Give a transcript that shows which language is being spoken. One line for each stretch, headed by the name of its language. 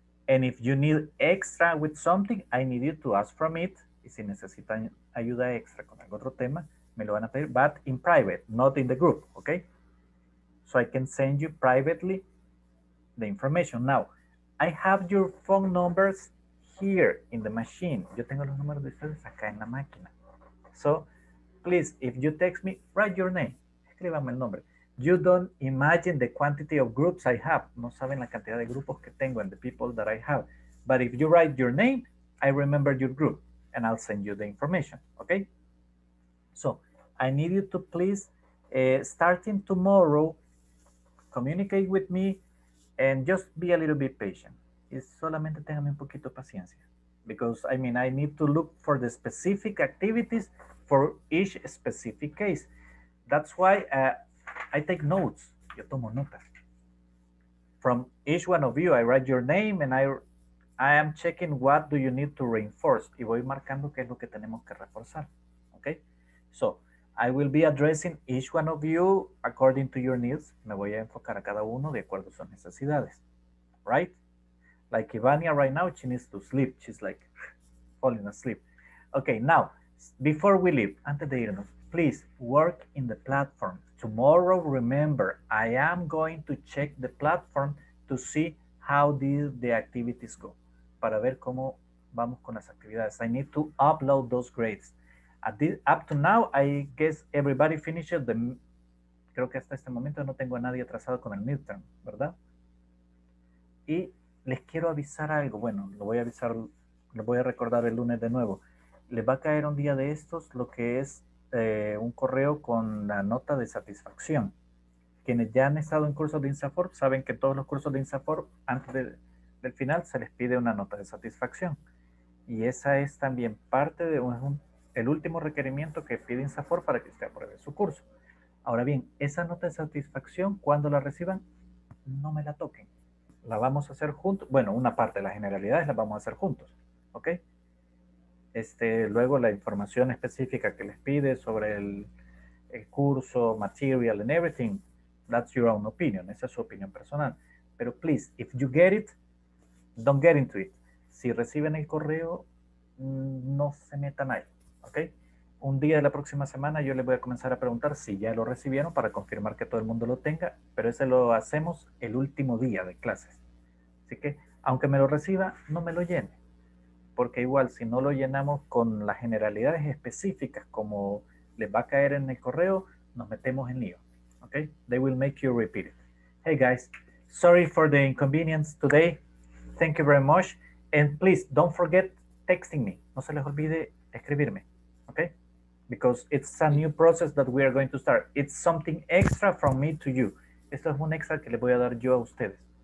English: And if you need extra with something, I need you to ask from it.
Spanish: Y si necesitan ayuda extra con algún otro tema, me lo van a pedir,
English: but in private, not in the group, okay? So I can send you privately the information. Now, I have your phone numbers here in the machine.
Spanish: Yo tengo los números de ustedes acá en la máquina.
English: So, please, if you text me, write your name.
Spanish: Escríbame el nombre.
English: You don't imagine the quantity of groups I have.
Spanish: No saben la cantidad de grupos que tengo
English: and the people that I have. But if you write your name, I remember your group and I'll send you the information, okay? So I need you to please, starting tomorrow, communicate with me and just be a little bit patient.
Spanish: Es solamente téngame un poquito paciencia.
English: Because, I mean, I need to look for the specific activities for each specific case. That's why, I take notes.
Spanish: Yo tomo notas.
English: From each one of you, I write your name and I am checking what do you need to reinforce.
Spanish: Y voy marcando qué es lo que tenemos que reforzar.
English: Okay? So, I will be addressing each one of you according to your needs.
Spanish: Me voy a enfocar a cada uno de acuerdo a sus necesidades.
English: Right? Like Ivania right now, she needs to sleep. She's like falling asleep. Okay, now, before we leave,
Spanish: antes de irnos,
English: please work in the platform. Tomorrow, remember, I am going to check the platform to see how the activities go.
Spanish: Para ver cómo vamos con las actividades.
English: I need to upload those grades. Up to now, I guess everybody finished the...
Spanish: Creo que hasta este momento no tengo a nadie atrasado con el midterm, ¿verdad? Y les quiero avisar algo. Bueno, lo voy a avisar, lo voy a recordar el lunes de nuevo. Les va a caer un día de estos lo que es un correo con la nota de satisfacción. Quienes ya han estado en cursos de INSAFORP saben que todos los cursos de INSAFORP antes del final se les pide una nota de satisfacción. Y esa es también parte de el último requerimiento que pide INSAFORP para que usted apruebe su curso. Ahora bien, esa nota de satisfacción, cuando la reciban, no me la toquen. La vamos a hacer juntos. Bueno, una parte de las generalidades la vamos a hacer juntos. ¿Ok? Luego la información específica que les pide sobre el curso,
English: material and everything, that's your own opinion,
Spanish: esa es su opinión personal.
English: Pero please, if you get it, don't get into it.
Spanish: Si reciben el correo, no se metan ahí, ¿ok? Un día de la próxima semana yo les voy a comenzar a preguntar si ya lo recibieron para confirmar que todo el mundo lo tenga, pero ese lo hacemos el último día de clases. Así que, aunque me lo reciba, no me lo llene. Porque igual, si no lo llenamos con las generalidades específicas como les va a caer en el correo, nos metemos en lío.
English: Okay? They will make you repeat it. Hey guys, sorry for the inconvenience today. Thank you very much. And please, don't forget texting me.
Spanish: No se les olvide escribirme.
English: Okay? Because it's a new process that we are going to start. It's something extra from me to you.
Spanish: Esto es un extra que les voy a dar yo a ustedes.